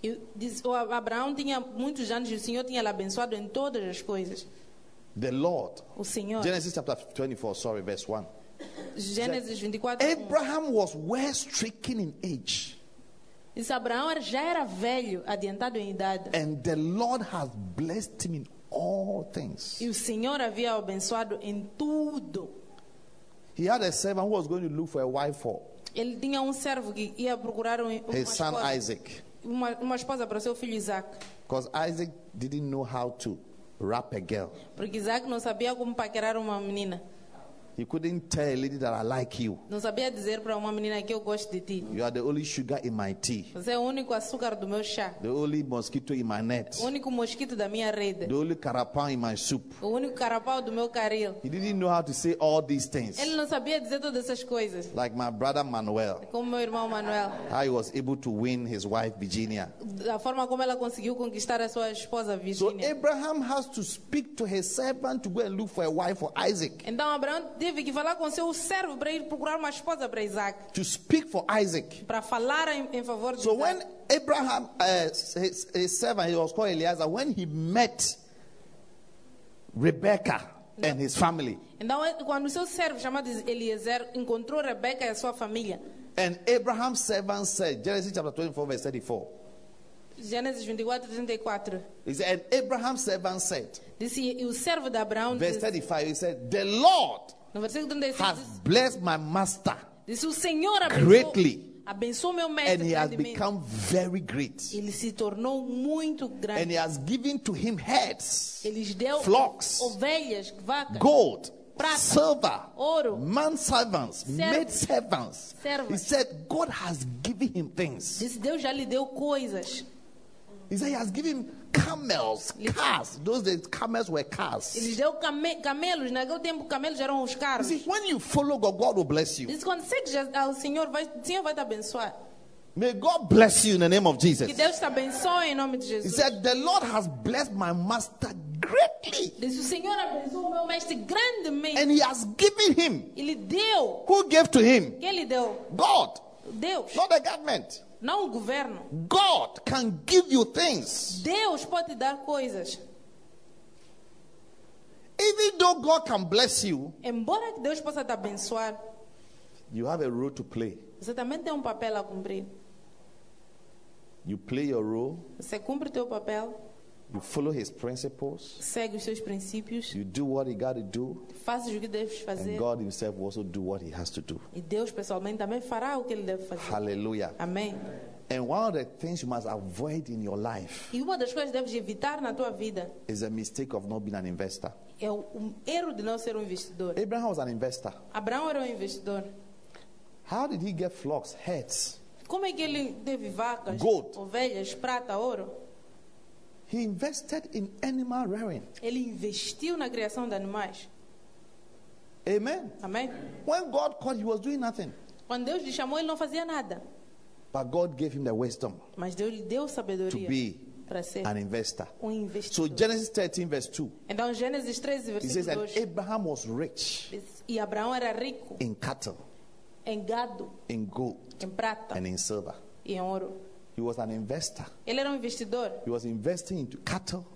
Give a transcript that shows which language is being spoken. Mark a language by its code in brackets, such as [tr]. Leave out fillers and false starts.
[pt] E diz, o Abraão tinha muitos anos e o Senhor tinha lhe abençoado em todas as coisas. [en] The Lord. [pt] O Senhor. [en] Genesis chapter 24, sorry, verse 1. [pt] Gênesis 24. [en] Abraham was well stricken in age. [pt] Diz, Abraão já era velho, adiantado em idade. [en] And the Lord has blessed him in all things. [pt] E o Senhor havia abençoado em tudo. [en] He had a servant who was going to look for a wife for. [pt] Ele tinha servo que ia procurar [en] his son Isaac. [pt] Uma esposa para seu filho Isaac. [en] Because Isaac didn't know how to wrap a girl. [pt] Porque Isaac não sabia como paquerar uma menina. [en] You couldn't tell a lady that I like you. [pt] Não sabia dizer para uma menina que eu gosto de ti. [en] You are the only sugar in my tea. [pt] Você é o único açúcar do meu chá. [en] The only mosquito in my net. [pt] O único mosquito da minha rede. [en] The only carapau in my soup. [pt] O único carapau do meu caril. [en] He didn't know how to say all these things. [pt] Ele não sabia dizer todas essas coisas. [en] Like my brother Manuel. [pt] Como meu irmão Manuel. [en] How he was able to win his wife Virginia. [pt] Da forma como ela conseguiu conquistar a sua esposa Virginia. [en] So Abraham has to speak to his servant to go and look for a wife for Isaac. [pt] Então Abraão teve que falar com seu servo para ir procurar uma esposa para Isaac. [en] To speak for Isaac. [pt] Para falar em favor de [en] Isaac. So when Abraham, his servant, he was called Eliezer, when he met Rebecca and his family. [pt] Então quando seu servo chamado Eliezer encontrou Rebecca e sua família. [en] And Abraham's servant said, Genesis chapter 24 verse 34. [pt] Genesis 24:34. [en] And Abraham's servant said. [pt] Disse o servo de Abraão. [en] Verse 35, he said, the Lord. [pt] No versículo 36, [en] has blessed my master. [pt] Disse o Senhor abençoou. [en] Greatly. [pt] Abençoou meu mestre. [en] And he has become very great. [pt] Ele se tornou muito grande. [en] And he has given to him heads. [pt] Ele lhe deu [en] flocks, [pt] ovelhas, vacas, [en] gold, [pt] prata, [en] silver, [pt] ouro, [en] manservants, maidservants. [pt] Servas. [en] He said, God has given him things. [pt] Disse Deus já lhe deu coisas. [en] He said he has given camels, cars. Those days, camels were cars. [pt] Ele deu camelos. Naquele tempo, camelos eram os carros. [en] See, when you follow God, God will bless you. [pt] Quando segue ao Senhor, o Senhor vai te abençoar. [en] May God bless you in the name of Jesus. [pt] Que Deus te abençoe em nome de Jesus. [en] He said, the Lord has blessed my master greatly. [pt] Diz, o Senhor abençoou meu mestre grandemente. [en] And he has given him. [pt] Ele deu. [en] Who gave to him? [pt] Quem lhe deu? [en] God. [pt] Deus. [en] Not the government. [pt] Não o governo. [en] God can give you things. [pt] Deus pode te dar coisas. [en] Even though God can bless you, [pt] embora que Deus possa te abençoar, [en] you have a role to play. [pt] Você também tem papel a cumprir. [en] You play your role. [pt] Você cumpre teu papel. [en] You follow his principles. [pt] Segue os seus princípios. [en] You do what he got to do. [pt] Faça o que deves fazer. [en] And God himself will also do what he has to do. [pt] E Deus pessoalmente também fará o que ele deve fazer. [en] Hallelujah. [pt] Amém. [en] And one of the things you must avoid in your life. [pt] E uma das coisas que deves evitar na tua vida. [en] Is a mistake of not being an investor. [pt] É um erro de não ser um investidor. [en] Abraham was an investor. [pt] Abraão era um investidor. [en] How did he get flocks, herds? [pt] Como é que ele teve vacas, [en] gold, [pt] ovelhas, prata, ouro? [en] He invested in animal rearing. [pt] Ele investiu na criação de animais. [en] Amen. [pt] Amém. [en] When God called, he was doing nothing. [pt] Quando Deus lhe chamou, ele não fazia nada. [en] But God gave him the wisdom. [pt] Mas Deus lhe deu sabedoria. [en] To be [pt] para ser [en] an investor. [pt] Um investidor. [en] So Genesis 13 verse 2. [pt] Então Gênesis 13 versículo 2. [en] He says that Abraham was rich. [pt] E Abraão era rico. [en] In cattle. [pt] Em gado. [en] In gold. [pt] Em prata. [en] And in silver. [pt] E em ouro. [en] He was an investor. [pt] Ele era um investidor. [en] He was investing into cattle.